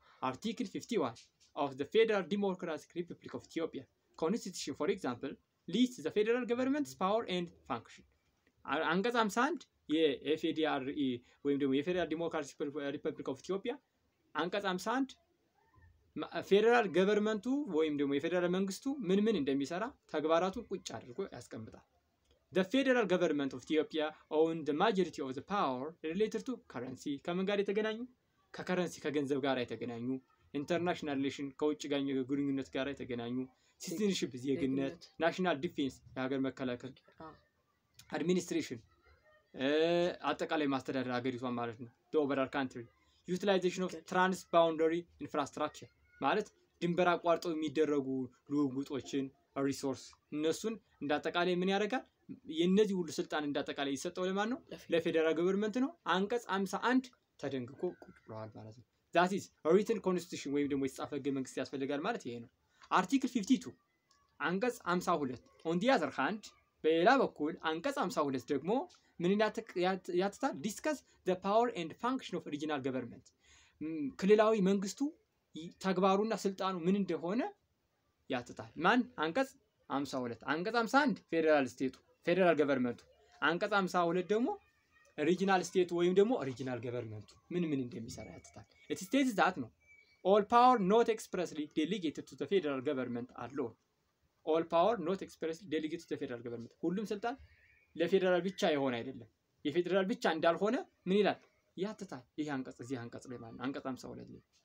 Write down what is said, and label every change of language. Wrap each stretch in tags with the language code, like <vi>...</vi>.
<en>article 51 of the federal democratic republic of ethiopia constitution for example lists the federal government's power and function</en> <am>አንቀጽ 51 የኤፍዲአር ወይም ደግሞ የፌደራል ዲሞክራሲክ ሪፐብሊክ ኦፍ ኢትዮጵያ አንቀጽ 51 ፌደራል ገቨርንመንቱ ወይም ደግሞ የፌደራል መንግስቱ ምን ምን እንደሚሰራ ተግባራቱን ቁጭ አድርጎ ያስቀምጣል።</am> <en>The federal government of Ethiopia owns the majority of the power related to currency.</en> <am>ከምን ጋር የተገናኙ? ከከረንሲ ከገንዘብ ጋር የተገናኙ</am> <en>international relation</en> <am>ከውጭ ግንኙነት ጋር የተገናኙ citizenship ዜግነት national defense የሀገር መከላከል administration አጠቃላይ ማስተዳደር ሀገሪቷን ማለት ነው</am> <en>the overall country utilization of transboundary infrastructure</en> <am>ማለት ድንበር አቋርጦ የሚደረጉ ልውውጦችን resource እነሱን እንዳጠቃላይ ምን ያደርጋል የነዚህ ሁሉ ስልጣን እንዳጠቃላይ ይሰጣው ለማን ነው ለፌደራል ገቨርንመንት ነው አንቀጽ 51 ተደንግጎ ቁጭ ብሏል ማለት ነው</am> <en>that is a written constitution</en> <am>ወይም ደግሞ የተጻፈ ህገ መንግስት ያስፈልጋል ማለት ይሄ ነው article 52 አንቀጽ 52</am> <en>on the other hand</en> <am>በሌላ በኩል አንቀጽ 52 ደግሞ ምን ያትታል</am> <en>discuss the power and function of regional government</en> <am>ክልላዊ መንግስቱ ተግባሩ እና ስልጣኑ ምን እንደሆነ ያጥታል ማን አንቀጽ 52 አንቀጽ 51 ፌደራል ስቴቱ ፌደራል ገቨርንመንቱ አንቀጽ 52 ደግሞ ኦሪጅናል ስቴቱ ወይም ደግሞ ኦሪጅናል ገቨርንመንቱ ምን እንደሚሰራ ያጥታል</am> <en>ኢት ስቴትስ ዳት</en> <am>ነው</am> <en>all power not expressly delegated to the federal government alone all power not expressly delegated to the federal government</en> <am>ሁሉም ስልጣን ለፌደራል ብቻ ይሆን አይደለም የፌደራል ብቻ እንዳልሆነ ምን ይላል ያጥታል ይሄ አንቀጽ እዚህ አንቀጽ ላይ ማለት አንቀጽ 52 ላይ</am>